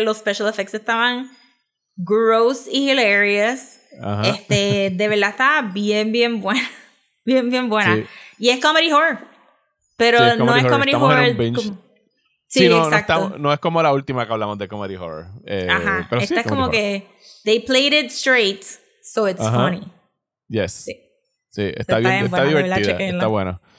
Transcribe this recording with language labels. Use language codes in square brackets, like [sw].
[es] Los special effects estaban gross y hilarious. Ajá. De verdad está bien bien buena, bien bien buena. Sí. Y es comedy horror, pero sí, es no es comedy horror. Estamos en un binge. Sí, no, exacto. No es como la última que hablamos de comedy horror. Ajá. Pero esta sí, es como horror. Que [en] they played it straight, so it's ajá funny. Yes. [es] Sí. Está bien, está divertida, está bueno.